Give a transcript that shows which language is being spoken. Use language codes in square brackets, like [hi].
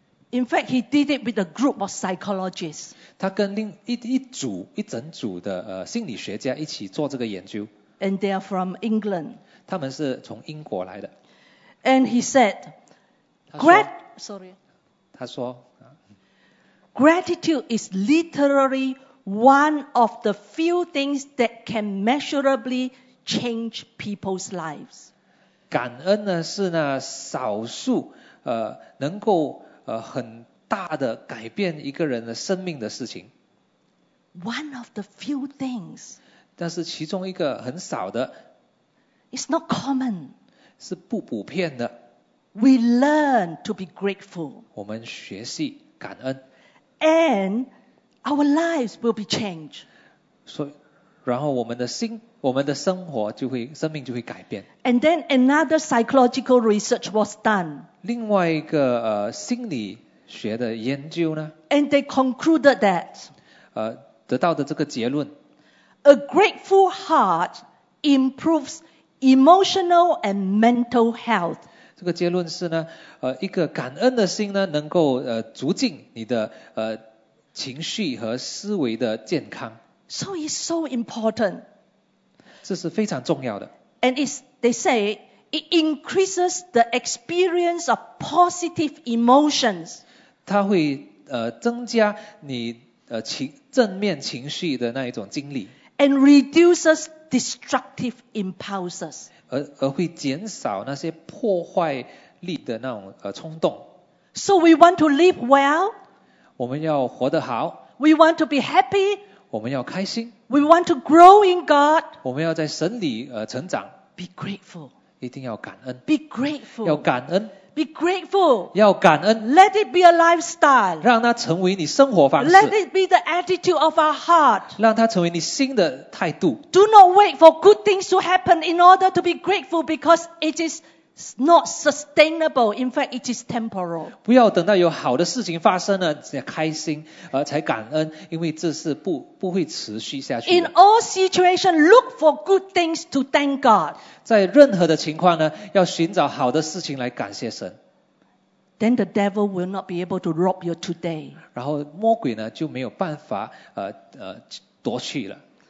[en] In fact, he did it with a group of psychologists. [zh] 他跟另 一整组的心理学家一起做这个研究。 [en] And they are from England. [zh] 他们是从英国来的。 [en] And he said, gratitude is literally one of the few things that can measurably change people's lives. [zh] 感恩呢是那少数能够很大的改变一个人的生命的事情。 [en] One of the few things. [zh] 但是其中一个很少的。 [en] It's not common. [zh] 是不普遍的。 [en] We learn to be grateful. [zh] 我们学习感恩。 [en] And our lives will be changed. [zh] 所以，然后我们的心，我们的生活就会，生命就会改变。 [en] And then another psychological research was done. [zh] 另外一个心理学的研究呢。 [en] And they concluded that. [zh] 得到的这个结论。 [en] A grateful heart improves emotional and mental health. [zh] 这个结论是呢，一个感恩的心呢，能够促进你的情绪和思维的健康。 [en] So it's so important. [zh] 这是非常重要的。 [en] And it's, they say, it increases the experience of positive emotions. [zh] 它会增加你正面情绪的那一种经历。 [en] And reduces destructive impulses. [zh] 而会减少那些破坏力的那种冲动。 [en] So we want to live well. [zh] 我们要活得好。 [en] We want to be happy. [zh] 我们要开心。 [en] We want to grow in God. [zh] 我们要在神里成长。 [en] Be grateful. [zh] 一定要感恩。 [en] Be grateful. [zh] 要感恩。 [en] Be grateful. [zh] 要感恩。 [en] Let it be a lifestyle. [zh] 让它成为你生活方式。 [en] Let it be the attitude of our heart. [zh] 让它成为你新的态度。 [en] Do not wait for good things to happen in order to be grateful because it is not sustainable. In fact, it is temporal. [zh] 不要等到有好的事情发生了才开心才感恩，因为这是不会持续下去的。 [en] In all situations, look for good things to thank God. [zh] 在任何的情况呢，要寻找好的事情来感谢神。 [en] Then the devil will not be able to rob you today. [zh] 然后魔鬼呢就没有办法夺去了。